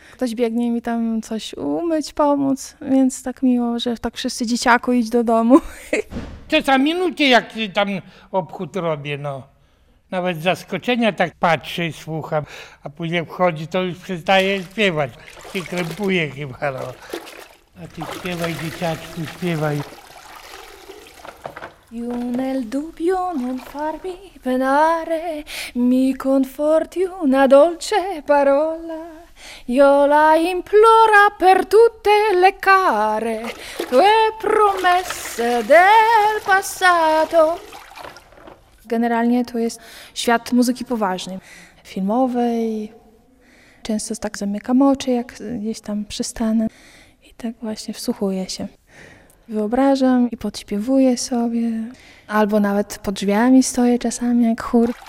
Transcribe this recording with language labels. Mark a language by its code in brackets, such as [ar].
[pl] Ktoś biegnie mi tam coś umyć, pomóc, więc tak miło, że tak wszyscy dzieciaku idź do domu. Czasami nucie, jak tam obchód robię, no. Nawet zaskoczenia tak patrzę, słucham, a później wchodzi, to już przestaje śpiewać. I krępuje chyba, no. A ty śpiewaj, dzieciaczku, śpiewaj. [it] Une il dubbio non farmi penare, mi conforti una dolce parola, io la imploro per tutte le care tue promesse del passato. [pl] Generalnie to jest świat muzyki poważnej, filmowej. Często tak zamykam oczy, jak gdzieś tam przystanę i tak właśnie wsłuchuję się. Wyobrażam i podśpiewuję sobie, albo nawet pod drzwiami stoję czasami jak chór.